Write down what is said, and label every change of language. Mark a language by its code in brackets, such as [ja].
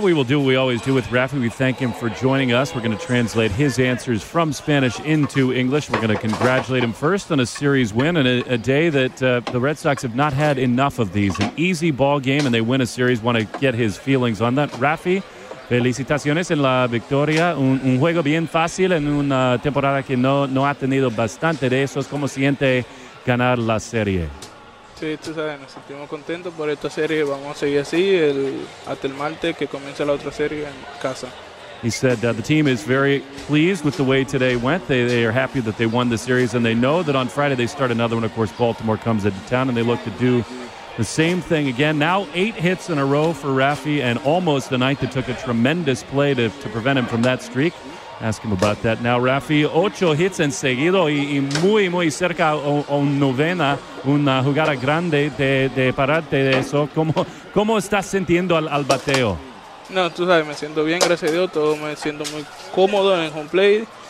[en] We will do what we always do with Rafi. We thank him for joining us. We're going to translate his answers from Spanish into English. We're going to congratulate him first on a series win and a day that the Red Sox have not had enough of these. An easy ball game, and they win a series. Want to get his feelings on that. [es] Rafi, felicitaciones en la victoria. Un juego bien fácil en una temporada que no ha tenido bastante de esos. ¿Cómo siente ganar la serie? Sí, tú sabes, nos sentimos contentos por esta serie. Vamos a seguir así hasta el martes que comienza la otra serie en casa. [en] He said the team is very pleased with the way today went. They are happy that they won the series, and they know that on Friday they start another one. Of course, Baltimore comes into town, and they look to do the same thing again. Now 8 hits in a row for Rafi, and almost the ninth, it took a tremendous play to prevent him from that streak. Ask him about that. Now, [es] Rafi, 8 hits en seguido y muy, muy cerca a novena, una jugada grande de pararte de eso. ¿Cómo estás sintiendo al bateo? No, tú sabes, me siento bien, gracias a Dios. Todo me siento muy cómodo en el home play.